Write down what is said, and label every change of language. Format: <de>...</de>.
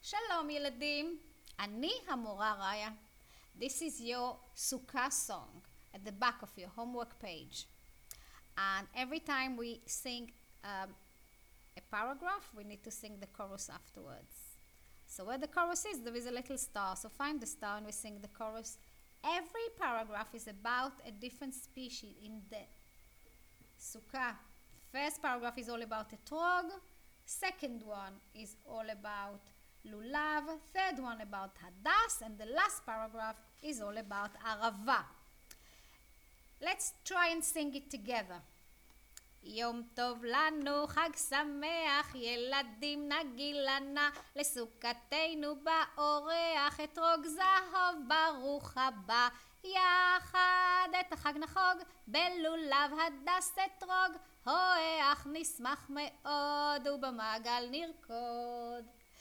<he>שלום ילדים, אני המורה ראיה.</he> <en>This is your סוכה song at the back of your homework page. And every time we sing a paragraph, we need to sing the chorus afterwards. So where the chorus is, there is a little star. So find the star and we sing the chorus. Every paragraph is about a different species in the סוכה. First paragraph is all about אתרוג. Second one is all about לולב. Third one about הדס. And the last paragraph is all about ערבה. Let's try and sing it together.</en> <he>יום טוב לנו, חג שמח, ילדים נגילנה, לסוכתנו באורח, אתרוג זהוב, ברוך הבא. יחד את החג נחוג, בלולב הדס אתרוג, הואח נשמח מאוד ובמעגל נרקוד.</he>